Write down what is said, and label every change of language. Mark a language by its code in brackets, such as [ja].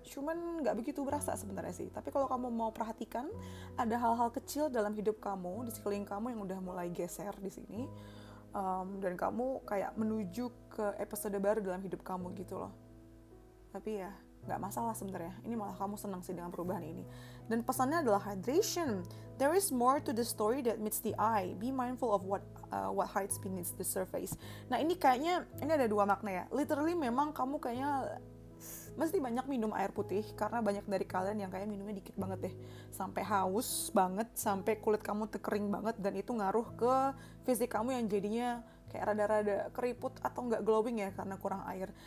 [id] Cuman nggak begitu berasa sebenarnya sih. Tapi kalau kamu mau perhatikan, ada hal-hal kecil dalam hidup kamu, di sekeliling kamu yang udah mulai geser di sini. Dan kamu kayak menuju ke episode baru dalam hidup kamu gitu loh. Tapi ya, gak masalah sebenarnya. Ini malah kamu senang sih dengan perubahan ini. Dan pesannya adalah hydration. [en] There is more to the story that meets the eye. Be mindful of what hides beneath the surface. [id] Nah, ini kayaknya, ini ada dua makna ya. Literally memang kamu kayaknya mesti banyak minum air putih. Karena banyak dari kalian yang kayak minumnya dikit banget deh. Sampai haus banget. Sampai kulit kamu terkering banget. Dan itu ngaruh ke fisik kamu yang jadinya kayak rada-rada keriput atau nggak glowing ya karena kurang air.